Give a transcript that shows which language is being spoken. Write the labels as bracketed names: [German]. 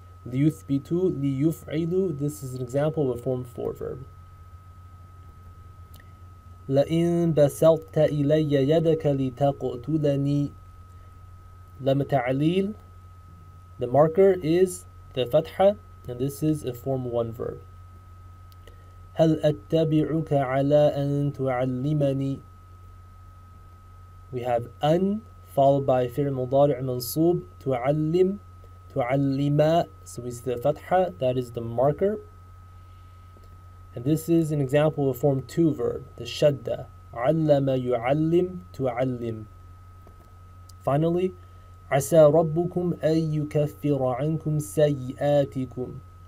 [Arabic] لِيُثْبِتُوا لِيُفْعِلُوا, [English] this is an example of a form 4 verb. [Arabic] لَإِن بَسَلْتَ إِلَيَّ يَدَكَ لِتَقْتُلَنِي. [English] لَمَ تَعْلِيل, the marker is the fatha, and this is a form 1 verb. [Arabic] هَلْ أَتَّبِعُكَ عَلَىٰ أَن تُعَلِّمَنِي. [English] We have [Arabic] أَن [English] followed by fi'l mudari' mansub, tu'allim, tu'allima. So we see the fatha, that is the marker. And this is an example of a form 2 verb, the shadda. [Arabic] 'Allama yu'allim tu'allim. [English] Finally, [Arabic] 'asa rabbukum an yukaffira 'ankum sayyi'atikum.